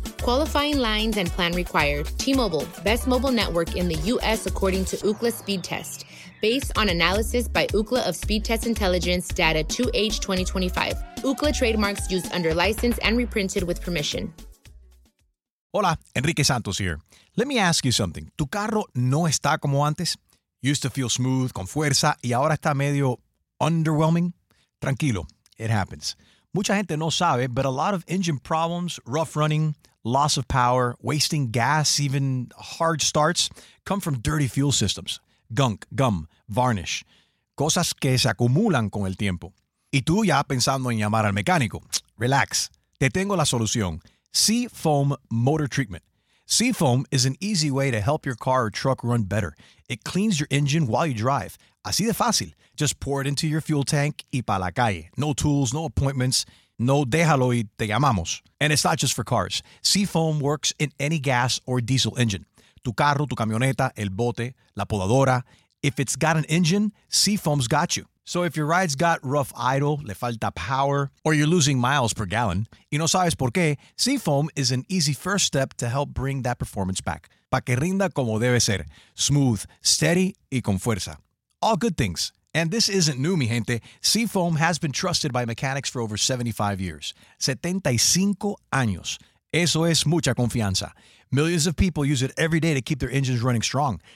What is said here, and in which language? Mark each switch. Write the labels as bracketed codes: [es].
[en] Qualifying lines and plan required. T-Mobile, best mobile network in the U.S. according to Ookla speed test. Based on analysis by Ookla of speed test intelligence data 2H2025. Ookla trademarks used under license and reprinted with permission. Hola, Enrique Santos here. Let me ask you something. [es] ¿Tu carro no está como antes? Used to feel smooth, con fuerza, y ahora está medio underwhelming? [en] Tranquilo, it happens. Mucha gente no sabe, but a lot of engine problems, rough running, loss of power, wasting gas, even hard starts, come from dirty fuel systems. Gunk, gum, varnish. [es] Cosas que se acumulan con el tiempo. Y tú ya pensando en llamar al mecánico. Relax. Te tengo la solución. Seafoam Motor Treatment. [en] Seafoam is an easy way to help your car or truck run better. It cleans your engine while you drive. Así de fácil. Just pour it into your fuel tank y pa' la calle. [es] No tools, no appointments. No déjalo y te llamamos. [en] And it's not just for cars. Seafoam works in any gas or diesel engine. [es] Tu carro, tu camioneta, el bote, la podadora. If it's got an engine, Seafoam's got you. [en] So if your ride's got rough idle, le falta power, or you're losing miles per gallon, y no sabes por qué, Seafoam is an easy first step to help bring that performance back. [es] Pa' que rinda como debe ser. Smooth, steady, y con fuerza. [en] All good things. And this isn't new, mi gente. Seafoam has been trusted by mechanics for over 75 years. [es] 75 años. Eso es mucha confianza. [en] Millions of people use it every day to keep their engines running strong.